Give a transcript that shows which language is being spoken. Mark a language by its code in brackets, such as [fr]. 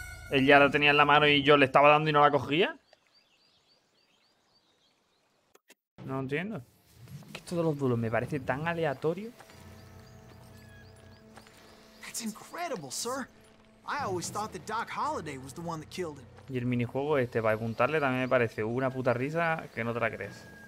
[es] Él ya la tenía en la mano y yo le estaba dando y no la cogía. No entiendo. Es que todos los duelos me parece tan aleatorio. [en] That's incredible, sir. I always thought that Doc Holliday was the one that killed him. [es] Y el minijuego este para apuntarle también me parece una puta risa que no te la crees.